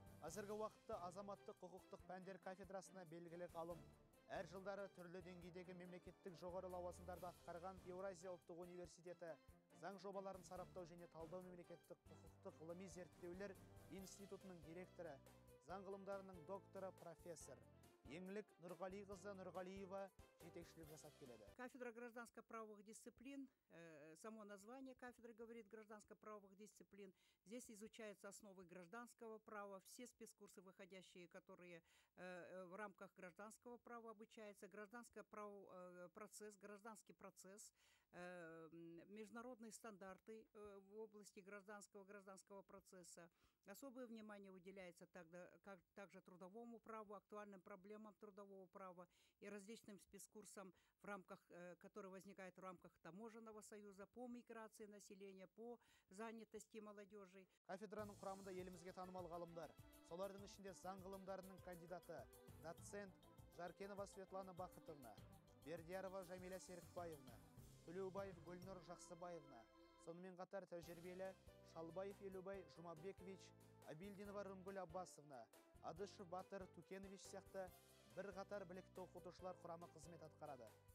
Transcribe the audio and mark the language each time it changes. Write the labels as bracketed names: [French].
[Kazakh] Қазіргі уақытта азаматтық құқықтық пәндер кафедрасына белгілі ғалым, әр жылдары түрлі деңгейдегі мемлекеттік жоғары лауазымдарды атқарған Евразия ұлттық университеті заң жобаларын сараптау және талдау мемлекеттік құқықтық ғылыми зерттеулер институтының директоры, заң ғылымдарының докторы профессор Еңлік Нұрғалиқызы Нұрғалиева жетекшілік жасап келеді. [Russian] Кафедра гражданско-правовых дисциплин, само название кафедры говорит гражданско-правовых дисциплин. Здесь изучаются основы гражданского права, все спецкурсы выходящие, которые в рамках гражданского права обучаются. Гражданское право, процесс, гражданский процесс, международные стандарты в области гражданского процесса. Особое внимание уделяется также трудовому праву, актуальным проблемам трудового права и различным спецкурсам, в рамках, которые возникают в рамках таможенного союза по миграции населения, по занятости молодежи. [Kazakh] Кафедраның құрамында елімізге танымал ғалымдар, солардың ішінде заң ғылымдарының кандидаты, доцент Жаркенова Светлана Бақытовна, Бердиярова Жамиля Серікбаевна, Төлеубаев Гүлнұр Жақсыбаевна, сонымен қатар тәжірибелі Шалбаев Елубай Жұмабекович, Абилдинова Рымгүл Аббасовна, Адышев Батыр Тукенович сияқты бір қатар білікті оқытушылар құрамы қызмет атқарады.